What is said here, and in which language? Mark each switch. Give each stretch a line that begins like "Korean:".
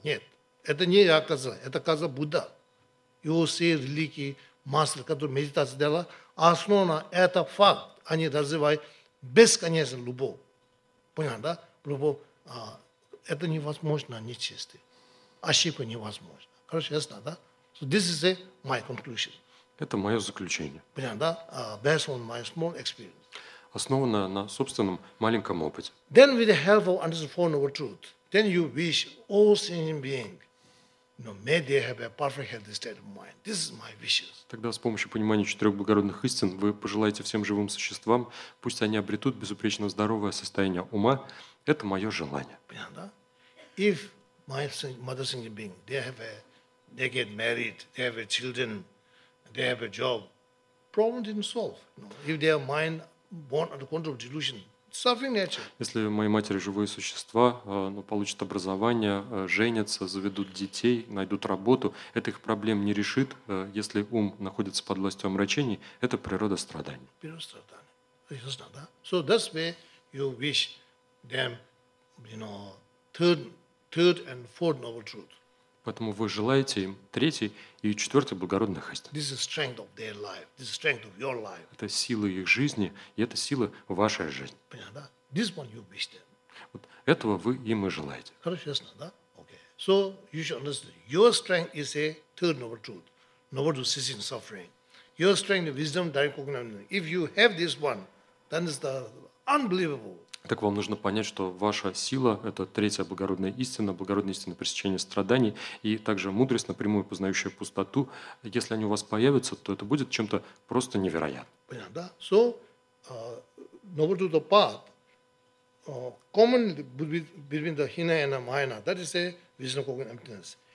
Russian: Нет, это не я сказал, это сказал Будда. Его все религии, мастер, который медитацию делал, основано это факт, они развивают бесконечную любовь. Понял, да? Любовь, это невозможно нечистый. Ошибка невозможна. Короче, ясно, да?
English: So this is my conclusion.
Russian: Это мое заключение. Понял, да?
English: Based on my small experience.
Russian: Основано на собственном маленьком опыте.
English: Then with the help of understanding four noble truths, then you wish all sentient beings, you know, may they have a perfect healthy state of mind. This is my wishes.
Russian: Тогда с помощью понимания четырех благородных истин вы пожелаете всем живым существам, пусть они обретут безупречно здоровое состояние ума. Это мое желание. Понятно, да?
English: If my mother sentient being, they get married, they have a children, they have a job, problem didn't solve. You know, if their mind born under control of delusion, suffering nature.
Russian: Если мои матери живые существа, но получат образование, женятся, заведут детей, найдут работу, это их проблем не решит. Если ум находится под властью омрачений, это природа страданий. Природа страданий. Ясно, да?
English: So that's where you wish them, you know, third and fourth noble truth.
Russian: Поэтому вы желаете им третий и четвертый благородных истин.
English: This is strength of their life. This is strength of your life.
Russian: Это сила их жизни, и это сила вашей жизни. Понятно, да?
English: This one you wish them.
Russian: Вот этого вы им и желаете. Хорошо, ясно, да?
English: Okay. So you should understand. Your strength is a third noble truth. Noble to cease in suffering. Your strength is wisdom, direct cognition. If you have this one, then it's the unbelievable.
Russian: Так вам нужно понять, что ваша сила – это третья благородная истина пресечения страданий и также мудрость, напрямую познающая пустоту. Если они у вас появятся, то это будет чем-то просто невероятным. Понятно, да?
English: So, number to the path, common between the hina and the mayana, that is a vision of emptiness.